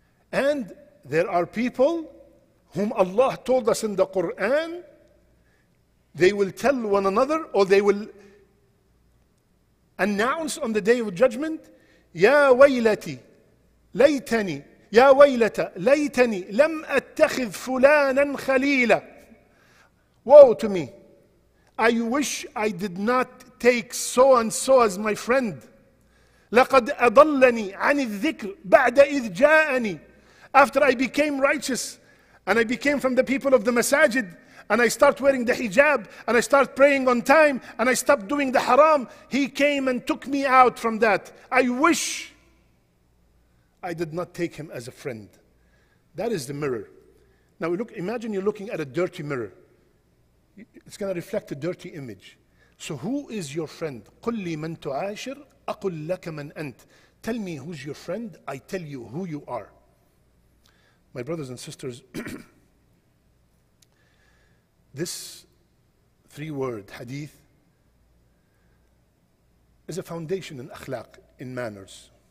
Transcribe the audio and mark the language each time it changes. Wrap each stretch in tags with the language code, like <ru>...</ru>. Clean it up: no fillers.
<en>And there are people whom Allah told us in the Quran, they will tell one another or they will announce on the day of judgment,</en> <ar>Ya waylati, laytani, يا ويلتى ليتني لم أتخذ فلانا خليلا.</ar> <en>Woe to me. I wish I did not take so and so as my friend.</en> <ar>لقد أضلني عن الذكر بعد إذ جاءني.</ar> <en>After I became righteous and I became from the people of the masajid and I start wearing the hijab and I start praying on time and I stopped doing the haram, he came and took me out from that. I wish I did not take him as a friend. That is the mirror. Now look, imagine you're looking at a dirty mirror. It's going to reflect a dirty image. So who is your friend?</en> <ar>قل لي من تعاشر أقل لك من أنت.</ar> <en>Tell me who's your friend, I tell you who you are. My brothers and sisters, this three word hadith is a foundation in akhlaq, in manners.</en>